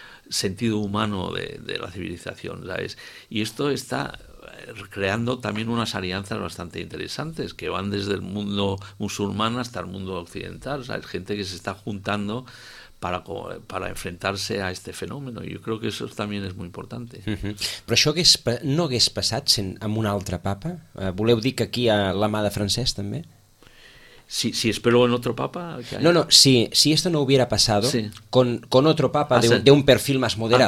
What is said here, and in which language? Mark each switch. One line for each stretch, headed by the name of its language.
Spanish: sentido humano de la civilización, ¿sabes? Y esto está creando también unas alianzas bastante interesantes que van desde el mundo musulmán hasta el mundo occidental, ¿sabes? Gente que se está juntando para enfrentarse a este fenómeno. Yo creo que eso también es muy importante.
Catalan: Però això hagués, no hagués passat sent amb un altre papa? Voleu dir que aquí hi ha la mà de Francesc també?
Spanish: Si espero en otro papa... Que hay... No, si esto no hubiera pasado sí. con otro papa de un perfil más moderado.